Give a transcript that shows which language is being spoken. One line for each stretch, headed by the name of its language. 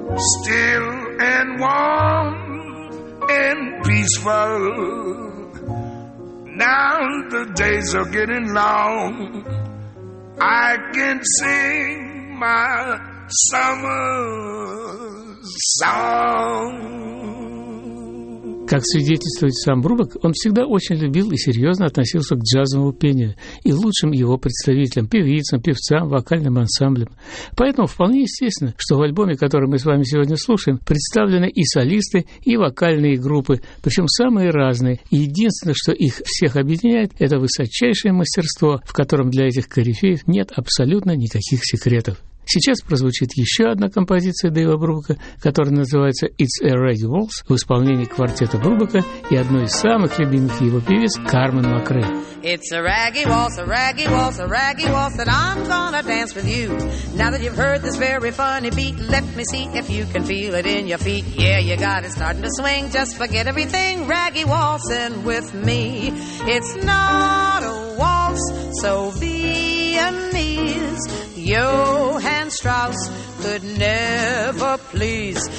English: Still and warm and peaceful. Now the days are getting long. I can sing my summer song.
Russian: Как свидетельствует сам Брубок, он всегда очень любил и серьезно относился к джазовому пению и лучшим его представителям – певицам, певцам, вокальным ансамблям. Поэтому вполне естественно, что в альбоме, который мы с вами сегодня слушаем, представлены и солисты, и вокальные группы, причем самые разные. И единственное, что их всех объединяет – это высочайшее мастерство, в котором для этих корифеев нет абсолютно никаких секретов. Сейчас прозвучит еще одна композиция Дэйва Брубока, которая называется «It's a Ragged Waltz» в исполнении квартета Брубока и одной из самых любимых его певиц Кармен Макрэй.
English: It's a ragged waltz, a ragged waltz, a ragged waltz that I'm gonna dance with you. Now that you've heard this very funny beat, let me see if you can feel it in your feet. Yeah, you got it starting to swing, just forget everything, ragged waltzing with me. It's not a waltz, so Viennese Johann Strauss could never please.